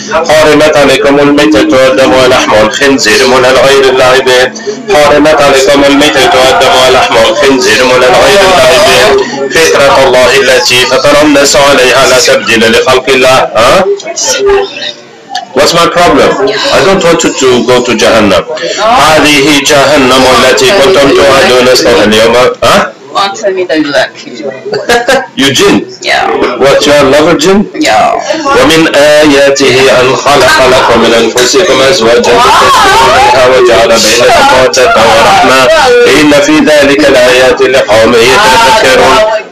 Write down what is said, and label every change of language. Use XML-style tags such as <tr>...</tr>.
<ar>حرمت عليكم الميتة والدم ولحم الخنزير مولى لغير الله به. حرمت عليكم الميتة والدم ولحم الخنزير مولى لغير الله به. فطرة الله التي فطر الناس عليها لا تبديل لخلق الله.</ar> <en>What's my problem? I don't want you to go to Jahannam.</en> <ar>هذه جهنم التي كنتم توعدون اسمها اليوم.</ar> <en>Don't tell me that you like you. You jinn? Yeah. What, you are a lover jinn? Yeah.</en> <ar>وَمِنْ آيَاتِهِ أَنْ خَلَقَ لَكُمْ مِنْ أَنْفُسِكُمْ أَزْوَاجًا وَجَعَلَ بَيْنَكُمْ مَوَدَّةً وَرَحْمَةً إِنَّ فِي ذَلِكَ لَآيَاتٍ لِقَوْمٍ يَتَفَكَّرُونَ.</ar>